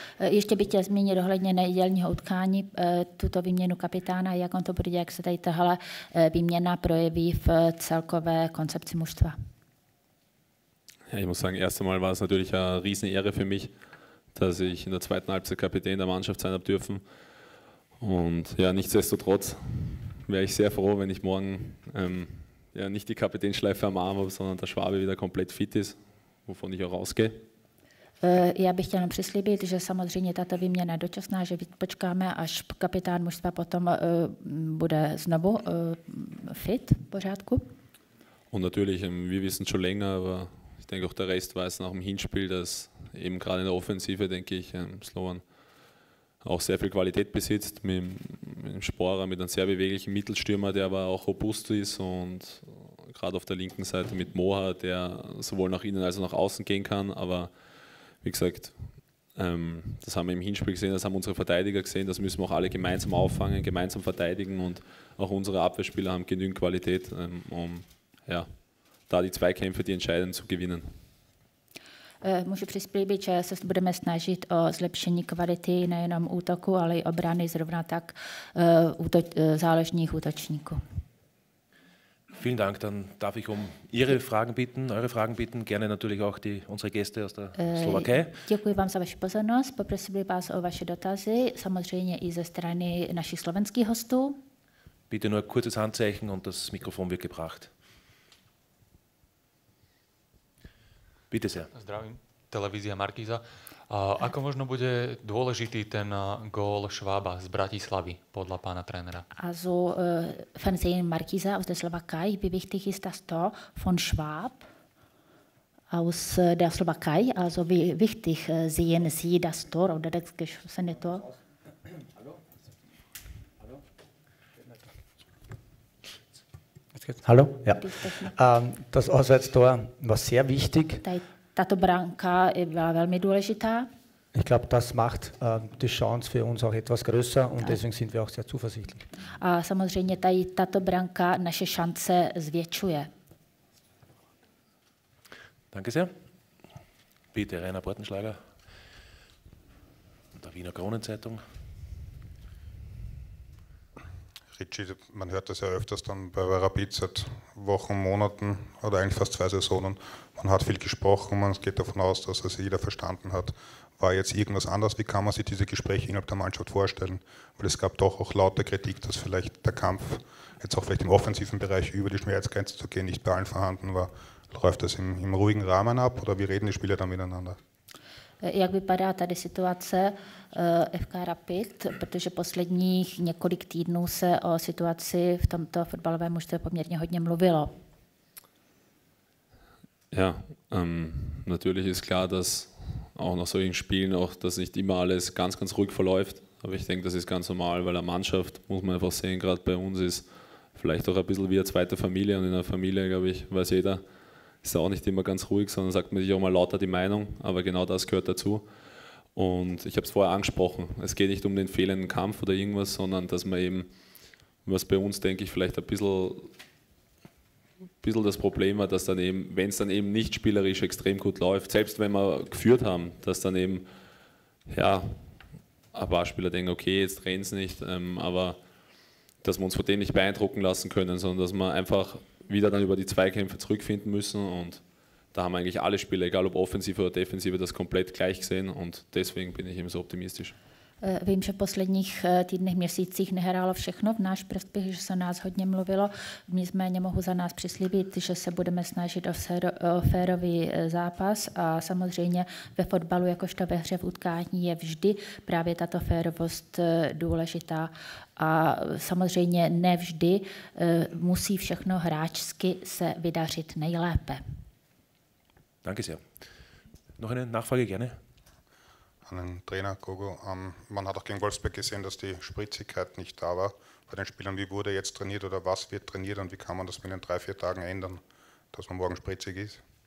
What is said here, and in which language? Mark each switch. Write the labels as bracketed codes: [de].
[cs] Ještě bych chtěl zmínit ohledně nedělního utkání tuto výměnu kapitána, jak on to bude, jak se tady tahle výměna projeví v celkové koncepci mužstva. [de] Ja, ich muss sagen, erst einmal war es natürlich eine riesen Ehre für mich, dass ich in der zweiten Halbzeit Kapitän der Mannschaft sein habe dürfen. Und ja, nichtsdestotrotz wäre ich sehr froh, wenn ich morgen ja nicht die Kapitänschleife am Arm habe, sondern der Schwabe wieder komplett fit ist, wovon ich auch ausgehe. [cs] Já bych chtěla přislíbit, že samozřejmě tato výměna je dočasná, že počkáme, až kapitán mužstva potom bude znovu fit, v pořádku. [de] Und natürlich, wir wissen schon länger, aber ich denke auch der Rest weiß nach dem Hinspiel, dass eben gerade in der Offensive, denke ich, Slovan auch sehr viel Qualität besitzt, mit dem Sporer, mit einem sehr beweglichen Mittelstürmer, der aber auch robust ist, und gerade auf der linken Seite mit Moha, der sowohl nach innen als auch nach außen gehen kann, aber wie gesagt, das haben wir im Hinspiel gesehen, das haben unsere Verteidiger gesehen, das müssen wir auch alle gemeinsam auffangen, gemeinsam verteidigen, und auch unsere Abwehrspieler haben genügend Qualität, um ja, da die Zweikämpfe, die entscheiden, zu gewinnen. [cs] Můžu přislíbit, že se budeme snažit o zlepšení kvality nejenom útoku, ale i obrany, zrovna tak záložních útočníků. [de] Vielen Dank, dann darf ich um Ihre Fragen bitten, eure Fragen bitten, gerne natürlich auch die unsere Gäste aus der Slowakei. [cs] Děkuji vám za vaši pozornost, poprosím vás o vaše dotazy, samozřejmě i ze strany našich slovenských hostů. [de] Bitte nur ein kurzes Handzeichen und das Mikrofon wird gebracht. Bitte sehr. [sk] Zdravím, televízia Markíza. Ako možno bude dôležitý ten gól Schwaba z Bratislavy podľa pána trénera? [de] Also von sehen Markíza aus der Slowakei, wie wichtig ist das Tor von Schwab aus der Slowakei? Also wie wichtig sehen Sie das Tor oder das geschossene Tor? Hallo? Ja. Das Auswärtstor war sehr wichtig. [cs] Tato branka byla velmi důležitá. [de] Ich glaube, das macht die Chance für uns auch etwas größer und deswegen sind wir auch sehr zuversichtlich. [cs] A samozřejmě tato branka naše šance zvětšuje. [de] Danke sehr. Bitte, Rainer Bortenschlager. Der Wiener Kronenzeitung. Ritschi, man hört das ja öfters dann bei Rapid seit Wochen, Monaten oder eigentlich fast zwei Saisonen. Man hat viel gesprochen, man geht davon aus, dass es jeder verstanden hat. War jetzt irgendwas anders? Wie kann man sich diese Gespräche innerhalb der Mannschaft vorstellen? Weil es gab doch auch lauter Kritik, dass vielleicht der Kampf jetzt auch vielleicht im offensiven Bereich über die Schmerzgrenze zu gehen nicht bei allen vorhanden war. Läuft das im ruhigen Rahmen ab oder wie reden die Spieler dann miteinander? [cs] Jak vypadá tady situace FK Rapid, protože posledních několik týdnů se o situaci v tomto fotbalovém mužstvu poměrně hodně mluvilo. [de] Ja, natürlich ist klar, dass auch nach solchen Spielen auch das nicht immer alles ganz ganz ruhig verläuft, aber ich denke, das ist ganz normal, weil eine Mannschaft, muss man einfach sehen, gerade bei uns ist vielleicht auch ein bisschen wie eine zweite Familie, und in einer Familie, glaube ich, weiß jeder, ist auch nicht immer ganz ruhig, sondern sagt man sich auch mal lauter die Meinung, aber genau das gehört dazu. Und ich habe es vorher angesprochen, es geht nicht um den fehlenden Kampf oder irgendwas, sondern dass man eben, was bei uns, denke ich, vielleicht ein bisschen bisschen das Problem war, dass dann eben, wenn es dann eben nicht spielerisch extrem gut läuft, selbst wenn wir geführt haben, dass dann eben, ja, ein paar Spieler denken, okay, jetzt drehen es nicht, aber dass wir uns von denen nicht beeindrucken lassen können, sondern dass wir einfach wieder dann über die Zweikämpfe zurückfinden müssen. Und da haben eigentlich alle Spieler, egal ob offensive oder defensive, das komplett gleich gesehen. Und deswegen bin ich eben so optimistisch. [cs] Vím, že v posledních týdnech, měsících nehrálo všechno v náš prospěch, že se o nás hodně mluvilo. Nicméně mohu za nás přislíbit, že se budeme snažit o férový zápas. A samozřejmě ve fotbalu, jakožto ve hře v utkání, je vždy právě tato férovost důležitá. A samozřejmě ne vždy musí všechno hráčsky se vydařit nejlépe. [de] Danke sehr. Noch eine Nachfrage gerne. An den Trainer Kogo. Man hat auch gegen Wolfsburg gesehen, dass die Spritzigkeit nicht da war bei den Spielern. Wie wurde jetzt trainiert oder was wird trainiert und wie kann man das mit den 3-4 Tagen ändern, dass man morgen spritzig ist?